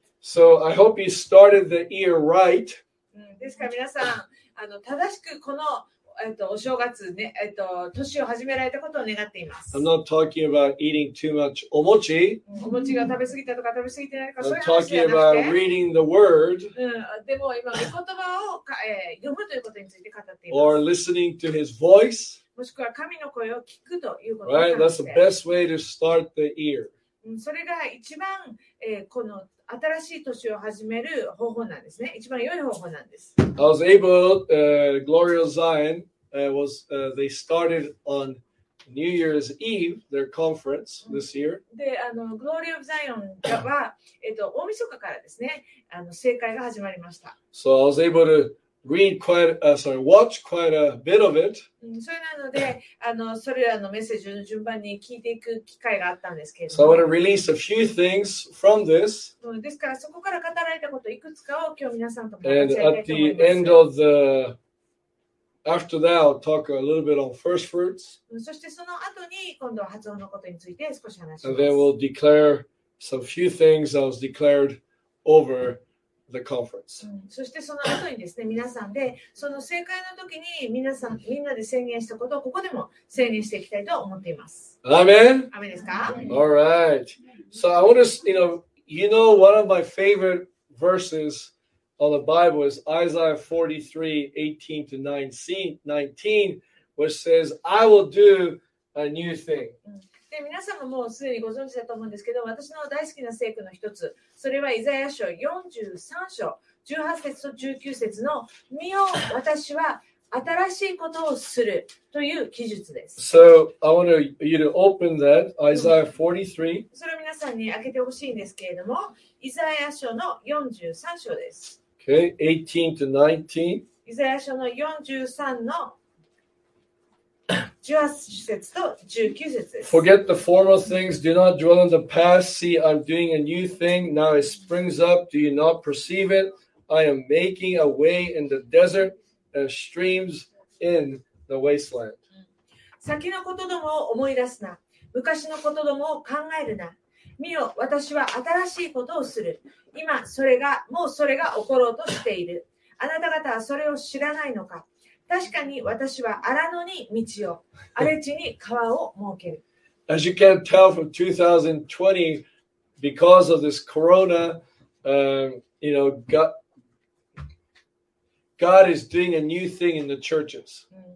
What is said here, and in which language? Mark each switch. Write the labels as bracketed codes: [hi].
[en] So I hope you started the year right. [ja] ですから、皆さん、正しくこのお正月ね、年を始められたことを願っています。 [en] I'm not talking about eating too much お餅。 [ja] お餅が食べ過ぎたとか食べ過ぎてないか、 [en] I'm talking about reading the word。 [ja] でも今、御言葉を読むということについて語っています。 [en] Or listening to his voice。 [ja] もしくは神の声を聞くということを語って。 [en] Right, that's the best way to start the year。 [ja] それが一番、この新しい年を始める方法なんですね。一番良い方法なんです。 [en] I was able, Gloria Zion, was, they started on New Year's Eve, their conference this year. [ja] で、Gloria Zion は、大晦日からですね、盛会が始まりました。 [en] So I was able to read quite, watch quite a bit of it. [ja] それなので、それらのメッセージの順番に聞いていく機会があったんですけれども。 [en] So I want to release a few things from this. [ja] ですから、そこから語られたこといくつかを今日皆さんと話し合いたいと思います。 [en] And at the end of the, after that, I'll talk a little bit on first fruits. [ja] そしてその後に今度は初穂のことについて少し話します。 [en] And then we'll declare some few things that was declared over the conference. [ja] そしてその後にですね、皆さんでその盛会の時に皆さんみんなで宣言したことをここでも宣言していきたいと思っています。 [en] Amen. [ja] Amen ですか? [en] All right. So I want to, one of my favorite verses on the Bible is Isaiah 43:18-19, which says, "I will do a new thing." [ja] で皆さんももうすでにご存知だと思うんですけど、私の大好きな聖句の一つ、それはイザヤ書43章18節と19節の見よ、私は新しいことをするという記述です。 [en] So I want you to open that, Isaiah 43. [ja] それを皆さんに開けてほしいんですけれども、イザヤ書の43章です。 [en] Okay, 18 to 19. [ja] イザヤ書の43の18節と19節です。 [en] Forget the former things, do not dwell on the past. See, I'm doing a new thing. Now it springs up. Do you not perceive it? I am making a way in the desert and streams in the wasteland. [ja] 先のことどもを思い出すな。昔のことどもを考えるな。見よ、私は新しいことをする。今、それが、もうそれが起ころうとしている。あなた方はそれを知らないのか。確かに私は荒野に道を、荒れ地に川を設ける。 [en] As you can tell from 2020, because of this corona, God is doing a new thing in the churches.